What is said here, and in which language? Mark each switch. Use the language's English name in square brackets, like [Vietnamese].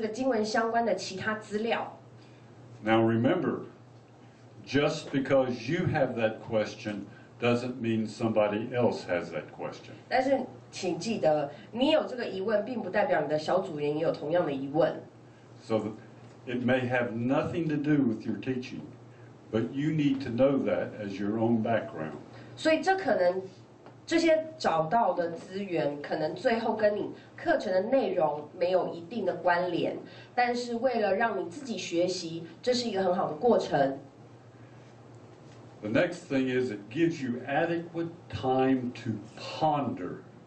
[Chinese] 第三个原因是你有足够的时间来找跟这个经文相关的其他资料。 [English] Now remember, just because you have that question doesn't mean somebody else has that question. [Chinese] 但是请记得，你有这个疑问，并不代表你的小组员也有同样的疑问。 [English] So it may have nothing to do with your teaching, but you need to know that as your own background. [Chinese] 所以这可能 这些找到的资源可能最后跟你课程的内容没有一定的关联，但是为了让你自己学习，这是一个很好的过程。The [English] next thing is it gives you adequate time to ponder.